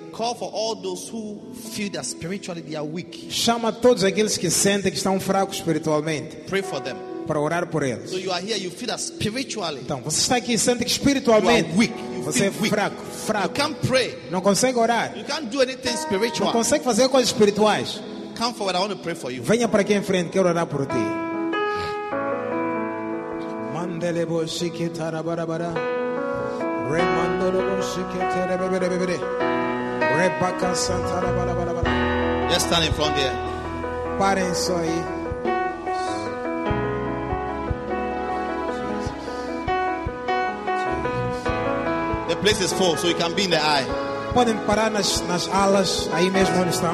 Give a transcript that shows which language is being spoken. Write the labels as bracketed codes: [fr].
[en] call for all those who feel that spiritually they are weak. [pt] Chama todos aqueles que sentem que estão fracos espiritualmente. [en] Pray for them. [pt] Para orar por eles. [en] So you are here, you feel that spiritually. [pt] Então você está aqui e sente que espiritualmente [en] weak. [pt] Você é fraco, fraco. [en] You can't pray. [pt] Não consegue orar. [en] You can't do anything spiritual. [pt] Não consegue fazer coisas espirituais. [en] Come forward, I want to pray for you. [pt] Venha para aqui em frente, quero orar por ti. Mandele bo shiki tarabarabara. Remandolo bo shiki terebebebebe. Rebaka santarabarabara. [en] Just stand in front here. [pt] Parem só aí. [en] The place is full, so you can be in the eye. [pt] Podem parar nas alas aí mesmo onde estão.